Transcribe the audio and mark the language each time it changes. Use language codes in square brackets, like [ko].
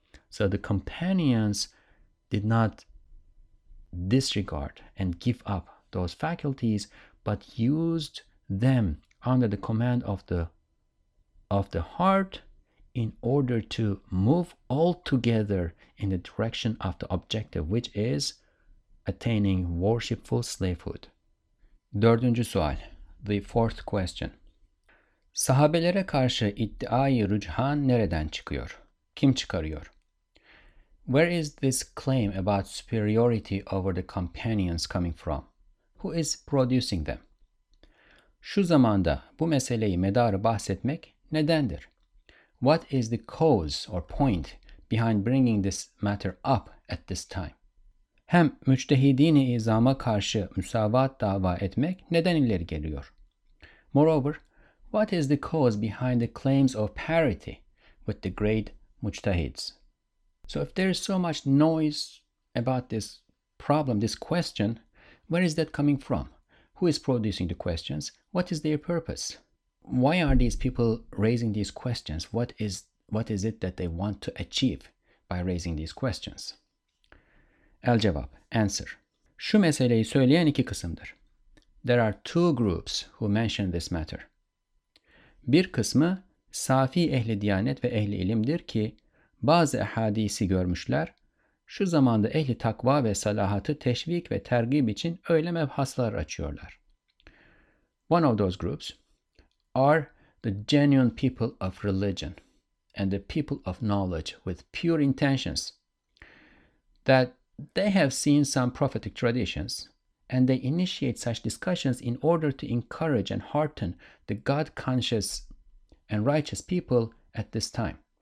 [en] So the companions did not disregard and give up those faculties, but used them under the command of the heart in order to move all together in the direction of the objective, which is attaining worshipful slavehood. [tr] Dördüncü sual, [en] the fourth question. [tr] Sahabelere karşı iddiayı rücihan nereden çıkıyor? Kim çıkarıyor? [en] Where is this claim about superiority over the companions coming from? Who is producing them? [tr] Şu zamanda bu meseleyi medarı bahsetmek nedendir? [en] What is the cause or point behind bringing this matter up at this time? [tr] Hem müçtehidini izama karşı müsavat dava etmek neden ileri geliyor? [en] Moreover, what is the cause behind the claims of parity with the great mujtahids? So if there is so much noise about this problem, this question, where is that coming from? Who is producing the questions? What is their purpose? why are these people raising these questions? What is it that they want to achieve by raising these questions? [tr] El cevap, [en] answer. [tr] Şu meseleyi söyleyen iki kısımdır. [en] There are two groups who mention this matter. [tr] Bir kısmı safi ehli diyanet ve ehli ilimdir ki bazı ahadisi görmüşler, şu zamanda ehli takva ve salahatı teşvik ve tergib için öyle mebhaslar açıyorlar. [en] One of those groups are the genuine people of religion and the people of knowledge with pure intentions that they have seen some prophetic traditions and they initiate such discussions in order to encourage and hearten the God-conscious and righteous people at this time.